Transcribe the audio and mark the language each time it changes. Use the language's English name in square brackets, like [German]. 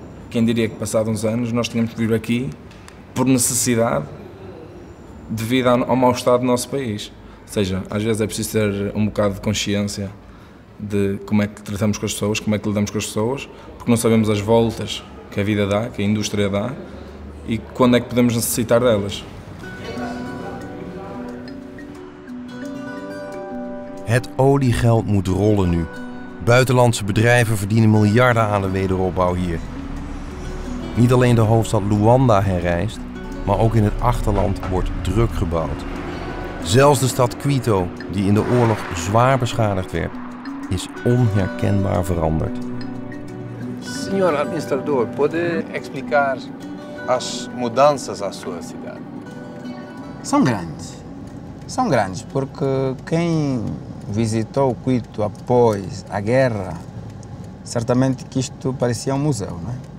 [Portuguese] Quem diria que passados uns anos nós tínhamos que vir aqui por necessidade, devido ao mau estado do nosso país. Ou seja, às vezes é preciso ter um bocado de consciência de como é que tratamos com as pessoas, como é que lidamos com as pessoas, porque não sabemos as voltas que a vida dá, que a indústria dá, e quando é que podemos necessitar delas. [Dutch] Het oliegeld moet rollen nu. Buitenlandse bedrijven verdienen miljarden aan de wederopbouw hier. Niet alleen de hoofdstad Luanda herrijst, maar ook in het achterland wordt druk gebouwd. Zelfs de stad Quito, die in de oorlog zwaar beschadigd werd, is onherkenbaar veranderd. [Portuguese] Senhor administrador, pode explicar as mudanças à sua cidade? São grandes. São grandes porque quem visitou Quito após a guerra, certamente que isto parecia um museu, não é?